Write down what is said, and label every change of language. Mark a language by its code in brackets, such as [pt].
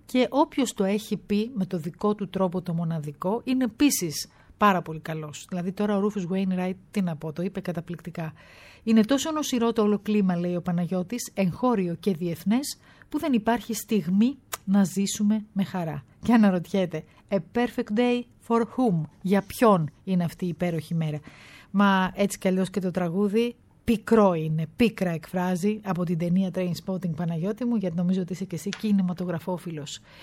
[el] Και όποιος το έχει πει με το δικό του τρόπο το μοναδικό, είναι επίσης πάρα πολύ καλός. Δηλαδή τώρα ο Rufus Wainwright, τι να πω, το είπε καταπληκτικά. Είναι τόσο νοσηρό το όλο κλίμα, λέει ο Παναγιώτης, εγχώριο και διεθνές, που δεν υπάρχει στιγμή να ζήσουμε με χαρά. [en] Και αναρωτιέται, a perfect day for whom? [el] Για ποιον είναι αυτή η υπέροχη μέρα? Μα έτσι κι αλλιώς και το τραγούδι πικρό είναι, πίκρα εκφράζει, από την ταινία Trainspotting, Παναγιώτη μου, γιατί νομίζω ότι είσαι και εσύ κινηματογραφόφιλος.